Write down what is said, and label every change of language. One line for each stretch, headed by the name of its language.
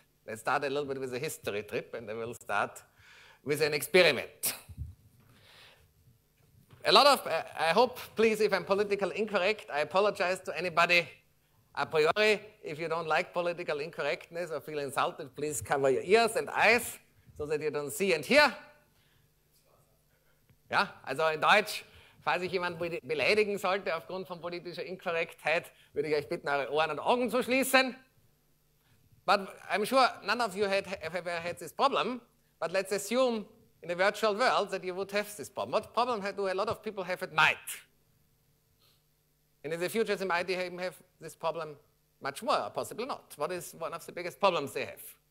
English: Let's start a little bit with a history trip, and then we'll start with an experiment. A lot of, I hope, please, if I'm politically incorrect, I apologize to anybody. A priori, if you don't like political incorrectness or feel insulted, please cover your ears and eyes so that you don't see and hear.
German: Ja, also in Deutsch, falls ich jemanden beleidigen sollte aufgrund von politischer Inkorrektheit, würde ich euch bitten, eure Ohren und Augen zu schließen.
English: But I'm sure none of you have ever had this problem, but let's assume in a virtual world that you would have this problem. What problem do a lot of people have at night? And in the future, they might even have this problem much more, or possibly not. What is one of the biggest problems they have?